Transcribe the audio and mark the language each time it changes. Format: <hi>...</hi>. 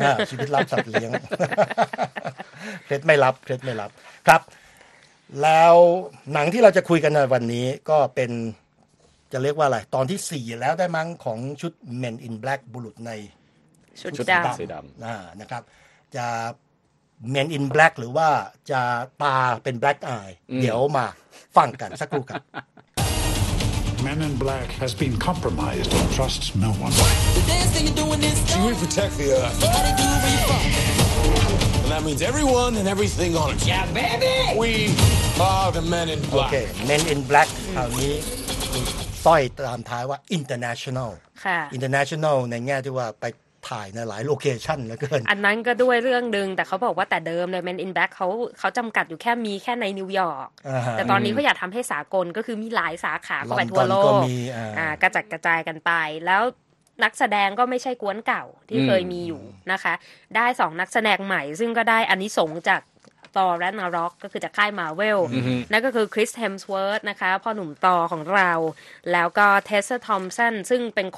<th>ชีวิตลับสัตว์เลี้ยงเพชรไม่ลับเพชรไม่ลับครับแล้วหนังที่เราจะคุยกันในวันนี้ก็เป็นจะเรียกว่าอะไรตอนที่4แล้วได้มั้งของชุด Men in Black บุรุษใน ชุดดำ นะครับจะ Men in Black หรือว่าจะตาเป็น Black Eye เดี๋ยวมาฟังกันสักครู่ครับ</th> <en>Men in Black has been compromised and trusts no one. Should we protect the Earth? And that means everyone and everything on it. Yeah, baby! We are the Men in Black.</en> <th>Okay, Men in Black คราวนี้ต้อยตามท้ายว่า international international ในแง่ที่ว่าไปถ่ายในหลายโลเคชันแล้วเกิน อันนั้นก็ด้วยเรื่องนึงแต่เขาบอกว่าแต่เดิมเลย Men in Black เขาจำกัดอยู่แค่มีแค่ในนิวยอร์กแต่ตอนนี้เขาอยากทำให้สากลก็คือมีหลายสาขาไปทั่วโลกกระจัดกระจายกันไปแล้วนักแสดงก็ไม่ใช่กวนเก่าที่เคยมีอยู่นะคะได้สองนักแสดงใหม่ซึ่งก็ได้อานิสงส์จากตอร์แรนาร็อกก็คือจากค่ายมาร์เวลนั่นก็คือคริสเฮมสเวิร์ธนะคะพ่อหนุ่มตอของเราแล้วก็เทสซาทอมสันซึ่งเ</th>